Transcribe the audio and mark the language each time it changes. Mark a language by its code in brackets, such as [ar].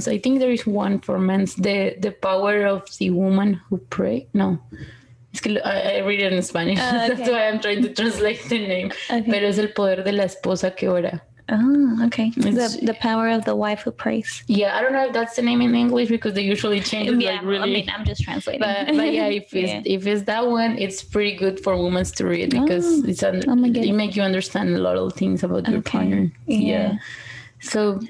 [en] So I think there is one for men. The Power of the Woman Who Pray. [es] No, es que [en] I read it in Spanish. Okay. That's why I'm trying to translate the name. Okay. [es] Pero es el poder de la esposa que ora. [en] Oh, okay. The Power of the Wife Who Prays. Yeah, I don't know if that's the name in English, because they usually change it. Yeah, like really. I mean, I'm just translating. But yeah, if it's that one, it's pretty good for women to read, because it makes you understand a lot of things about your okay. partner. Yeah. So